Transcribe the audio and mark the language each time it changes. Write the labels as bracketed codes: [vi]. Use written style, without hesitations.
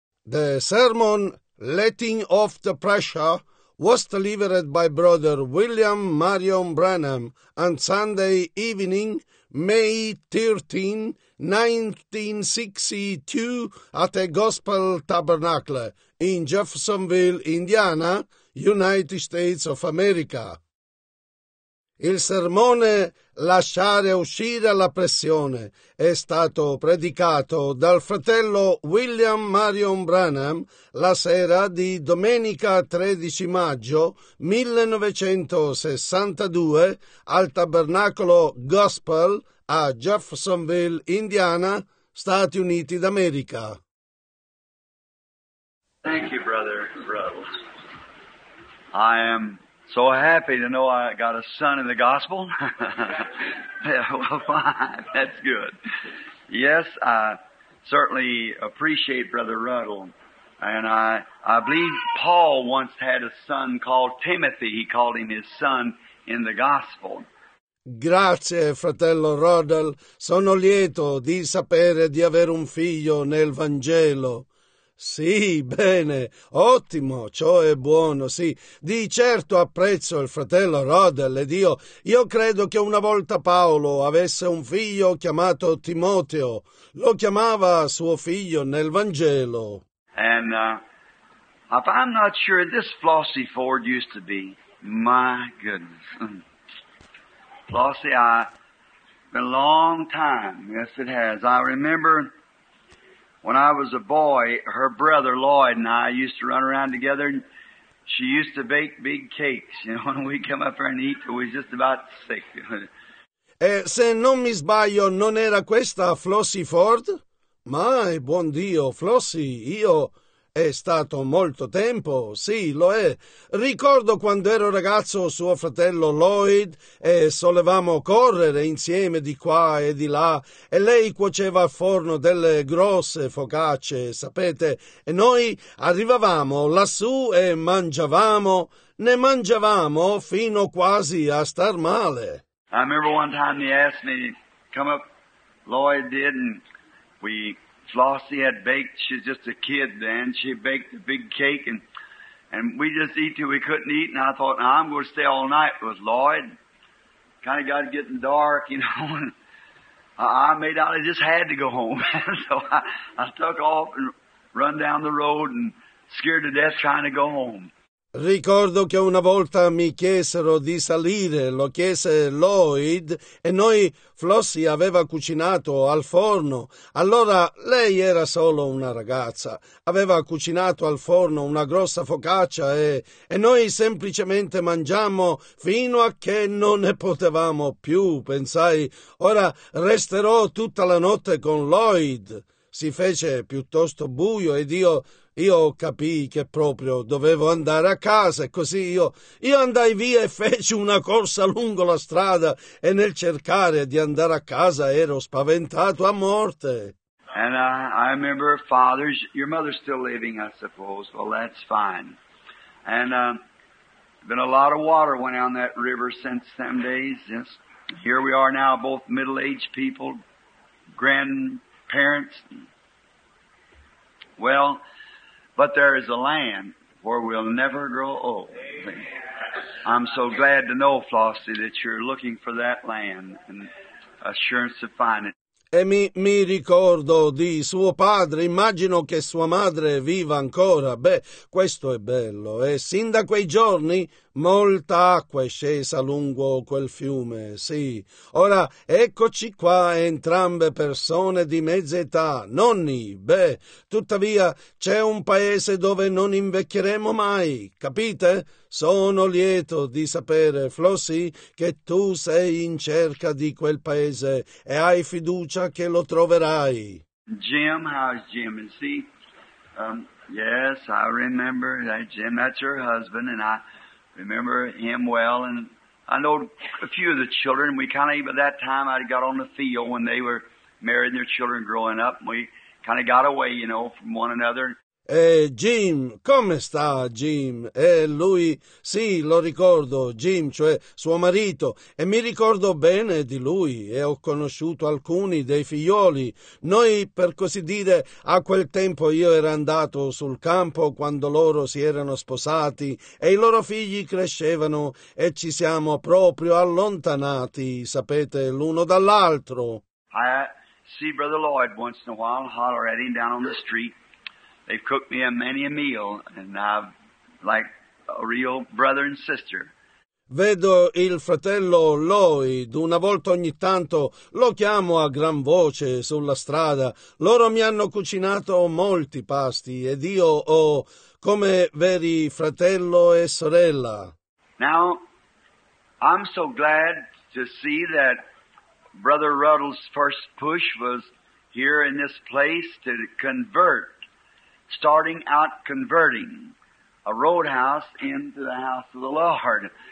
[en] The sermon, Letting Off the Pressure, was delivered by Brother William Marion Branham on Sunday evening, May 13, 1962, at the Gospel Tabernacle in Jeffersonville, Indiana, United States of America. [it] Il sermone Lasciare uscire la pressione è stato predicato dal fratello William Marion Branham la sera di domenica 13 maggio 1962 al Tabernacolo Gospel a Jeffersonville, Indiana, Stati Uniti d'America. [en] Thank you, Brother Ruddles. I am so happy to know I got a son in the gospel. Yeah, well, fine. That's good. Yes, I certainly appreciate Brother Ruddle. And I believe Paul once had a son called Timothy. He called him his son in the gospel. [it] Grazie, fratello Ruddle. Sono lieto di sapere di avere un figlio nel Vangelo. Sì, bene, ottimo, ciò è buono, sì. Di certo apprezzo il fratello Rodel ed io credo che una volta Paolo avesse un figlio chiamato Timoteo. Lo chiamava suo figlio nel Vangelo. [en] And if I'm not sure this Flossie Ford used to be, my goodness. Flossie, been a long time, yes it has, I remember. When I was a boy, her brother Lloyd and I used to run around together, and she used to bake big cakes. You know, when we'd come up here and eat, we was just about sick. [it] Se non mi sbaglio, non era questa Flossie Ford? Mai, buon Dio, Flossie, io... È stato molto tempo, sì, lo è. Ricordo quando ero ragazzo suo fratello Lloyd e solevamo correre insieme di qua e di là e lei cuoceva al forno delle grosse focacce, sapete, e noi arrivavamo lassù e mangiavamo, ne mangiavamo fino quasi a star male. [en] I remember one time he asked me, come up, Lloyd did, and we... Flossie had baked, she's just a kid then, she baked a big cake and we just eat till we couldn't eat and I thought, now I'm going to stay all night with Lloyd. Kind of got getting dark, you know, and I made out I just had to go home. So I took off and run down the road and scared to death trying to go home. [it] Ricordo che una volta mi chiesero di salire, lo chiese Lloyd, e noi Flossie aveva cucinato al forno. Allora lei era solo una ragazza, aveva cucinato al forno una grossa focaccia e noi semplicemente mangiammo fino a che non ne potevamo più. Pensai, ora resterò tutta la notte con Lloyd. Si fece piuttosto buio ed io capii che proprio dovevo andare a casa e così io andai via e feci una corsa lungo la strada e nel cercare di andare a casa ero spaventato a morte. [en] And I remember father's, your mother's still living, I suppose. Well, that's fine. And been a lot of water went down that river since them days. Yes. Here we are now, both middle-aged people, grandparents. Well... But there is a land where we'll never grow old. I'm so glad to know, Flossie, that you're looking for that land and assurance to find it. [it] E mi ricordo di suo padre, immagino che sua madre viva ancora. Beh, questo è bello. E sin da quei giorni molta acqua è scesa lungo quel fiume, sì. Ora, eccoci qua, entrambe persone di mezza età, nonni. Beh, tuttavia, c'è un paese dove non invecchieremo mai, capite? Sono lieto di sapere, Flossie, che tu sei in cerca di quel paese e hai fiducia che lo troverai. [en] Jim, how's Jim? And see, yes, I remember that Jim, that's your husband, and I remember him well, and I know a few of the children. We kind of, even at that time, I got on the field when they were married and their children growing up, and we kind of got away, you know, from one another. [it] Jim, come sta Jim? E lui, sì, lo ricordo, Jim, cioè suo marito, e mi ricordo bene di lui e ho conosciuto alcuni dei figlioli. Noi, per così dire, a quel tempo io ero andato sul campo quando loro si erano sposati e i loro figli crescevano e ci siamo proprio allontanati, sapete, l'uno dall'altro. [en] I see Brother Lloyd once in a while hollering down on the street. They've cooked me many a meal, and I'm like a real brother and sister. [it] Vedo il fratello Lloyd, una volta ogni tanto lo chiamo a gran voce sulla strada. Loro mi hanno cucinato molti pasti, ed io ho come veri fratello e sorella. [en] Now, I'm so glad to see that Brother Ruddle's first push was here in this place to convert. Starting out converting a roadhouse into the house of the Lord.